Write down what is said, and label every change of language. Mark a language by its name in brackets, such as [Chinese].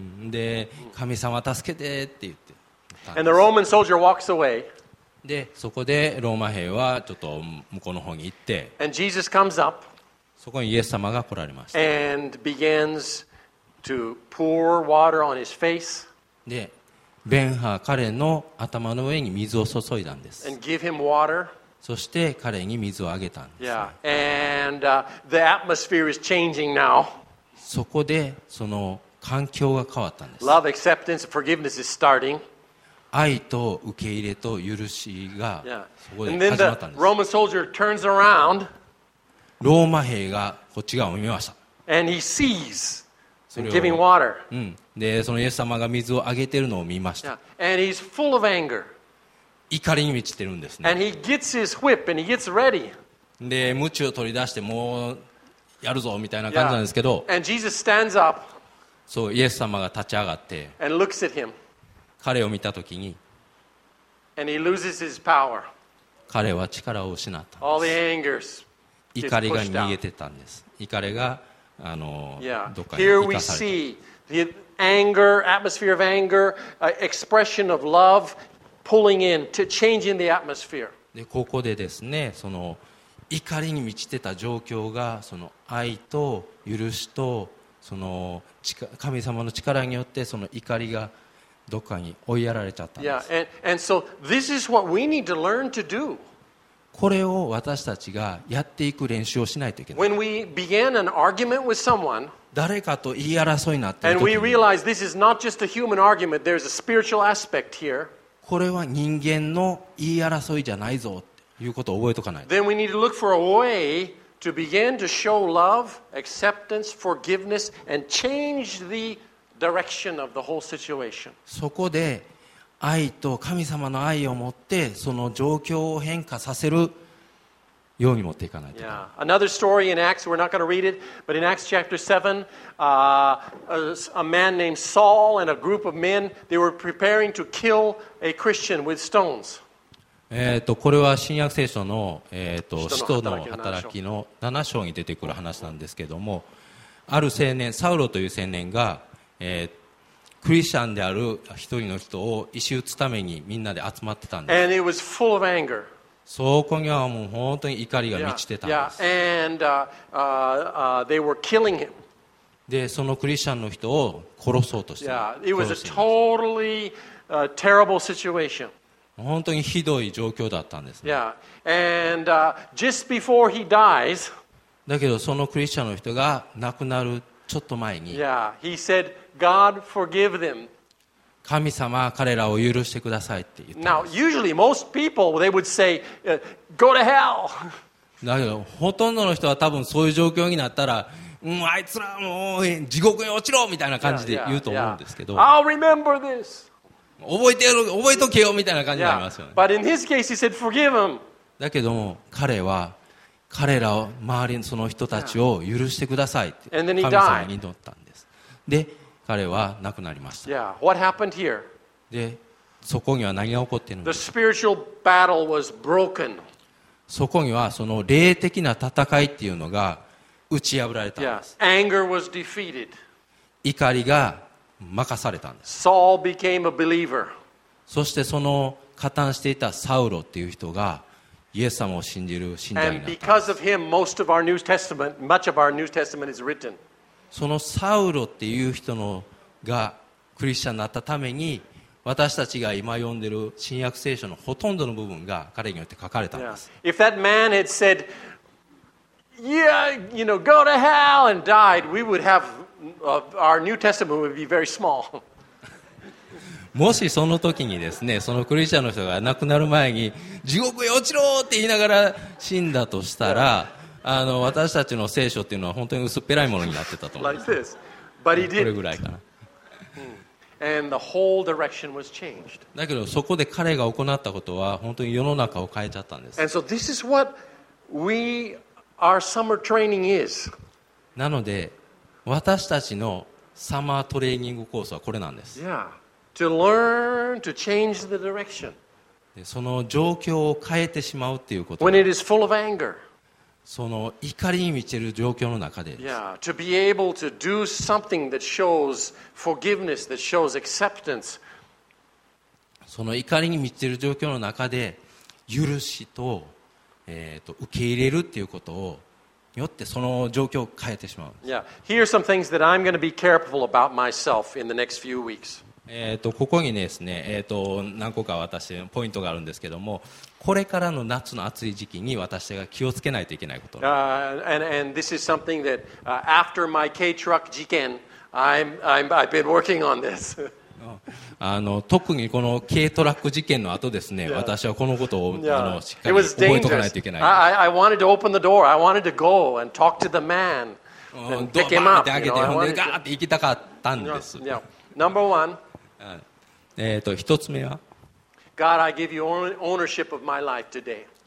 [Japanese] で、神様助けてって言って。 [English] And the Roman soldier walks away. [Japanese] で、そこでローマ兵はちょっと向こうの方に行って。 [English] And Jesus comes up. [Japanese] そこにイエス様が来られました。 [English] And begins to pour water on his face. [Japanese] で、ベンハー彼の頭の上に水を注いだんです。 [English] And give him water. [Japanese] そして彼に水をあげたんです、ね。 [English] Yeah. And, the atmosphere is changing now. [Japanese] そこでその環境が変わったんです。 [English] Love, acceptance, forgiveness is starting. [Japanese] 愛と受け入れと許しがそこで始まったんです。 [English] And then the Roman soldier turns around. [Japanese] ローマ兵がこっち側を見ました。 [English] And he sees and giving water. [Japanese] うん。で、そのイエス様が水をあげているのを見ました。 [English] Yeah. And he's full of anger. [Japanese] 怒りに満ちてるんですね。 [English] And he gets his whip and he gets ready. [Japanese] で、鞭を取り出してもうやるぞみたいな感じなんですけど。 [English] Yeah. And Jesus stands up. [Japanese] そう、イエス様が立ち上がって。 [English] And looks at him. [Japanese] 彼を見たときに。 [English] And he loses his power. [Japanese] 彼は力を失ったんです。 [English] All the anger. [Japanese] 怒りが逃げてたんです。怒りが、どっかに行かされた。 [English] Here we see the anger, atmosphere of anger, expression of love. Pulling in to changing the atmosphere. [Japanese] でここでですね、その怒りに満ちてた状況がその愛と許しとその神様の力によってその怒りがどっかに追いやられちゃったんです。 [English] Yeah, and so this is what we need to learn to do. [Japanese] これを私たちがやっていく練習をしないといけない。 [English] When we began an argument with someone, [Japanese] 誰かと言い争いになっている時に、 [English] And we realize this is not just a human argument, there's a spiritual aspect here. [Japanese] これは人間の言い争いじゃないぞということを覚えとかないと。 [English] Then we need to look for a way to begin to show love, acceptance, forgiveness, and change the direction of the whole situation. [Japanese] そこで愛と神様の愛を持ってその状況を変化させるように持っていかないと。 [English] Yeah. Another story in Acts, we're not going to read it, but in Acts chapter 7, a man named Saul and a group of men, they were preparing to kill a Christian with stones. [Japanese] これは新約聖書の、使徒の働きの7章に出てくる話なんですけども、ある青年、サウロという青年が、クリスチャンである一人の人を石打つためにみんなで集まってたんです。 [English] And it was full of anger. [Japanese] そこにはもう本当に怒りが満ちてたんです。 [English] Yeah. And, they were killing him. [Japanese] でそのクリスチャンの人を殺そうとして、 [English] yeah. It was a totally, terrible situation. [Japanese] 本当にひどい状況だったんですね。 [English] Yeah. And, just before he dies, [Japanese] だけどそのクリスチャンの人が亡くなるちょっと前に、 [English] yeah. He said,God forgive them. [Japanese] 神様は彼らを許してくださいって言ってます。 [English] Now, usually most people, they would say, go to hell. [Japanese] だけどほとんどの人は多分そういう状況になったら、うん、あいつらもう地獄に落ちろみたいな感じで言うと思うんですけど。 [English] yeah, yeah, yeah. I'll remember this. [Japanese] 覚えとけよみたいな感じになりますよね。 [English] yeah, but in his case, he said, forgive them. [Japanese] だけども彼は彼らを周りのその人たちを許してくださいって神様に祈ったんです。で彼は亡くなりました。 [English] Yeah. What happened here? [Japanese] で、そこには何が起こっているのか。 [English] The spiritual battle was broken. [Japanese] そこにはその霊的な戦いっていうのが打ち破られたんです。 [English] Yeah. Anger was defeated. [Japanese] 怒りが負かされたんです。 [English] Saul became a believer. [Japanese] そしてその加担していたサウロっていう人がイエス様を信じる信者になったんです。 [English] And because of him, most of our New Testament, much of our New Testament is written. [Japanese] そのサウロっていう人のがクリスチャンになったために、私たちが今読んでる新約聖書のほとんどの部分が彼によって書かれたんです。 [English] Yeah. If that man had said, yeah, you know, go to hell and died, we would have, our New Testament would be very small. [Japanese] もしその時にですね、そのクリスチャンの人が亡くなる前に地獄へ落ちろって言いながら死んだとしたら、yeah. 私たちの聖書っていうのは本当に薄っぺらいものになってたと思います。 [English] like this. [Japanese] これぐらいかな。 [English] And the whole direction was changed. [Japanese] だけどそこで彼が行ったことは本当に世の中を変えちゃったんです。 [English] And so this is what we, our summer training is. [Japanese] なので私たちのサマートレーニングコースはこれなんです。 [English] Yeah. To learn to change the direction. [Japanese] でその状況を変えてしまうっていうこと、 [English] When it is full of anger. [Japanese] その怒りに満ちる状況の中で、 [English] yeah, to be able to do something that shows forgiveness, that shows acceptance. [Japanese] その怒りに満ちている状況の中で許しと、受け入れるっていうことをよってその状況を変えてしまう。 [English] yeah, here are some things that I'm going to be careful about myself in the next few weeks. [Japanese] ここにですね、何個か私ポイントがあるんですけども、これからの夏の暑い時期に私が気をつけないといけないこと。 [English] And this is something that, after my K truck [Japanese] 事件, [English] I've been working on this. [Japanese] 特にこの K トラック事件の後ですね、yeah. 私はこのことを、yeah. しっかり覚えておかないといけない。 [English] I wanted to open the door. I wanted to go and talk to the man. And pick him up. [Japanese] ドアバーって開けて、ガーって行きたかったんです。 [English] Number one. [Japanese] 一つ目は、 [English] God, I give you ownership of my life today.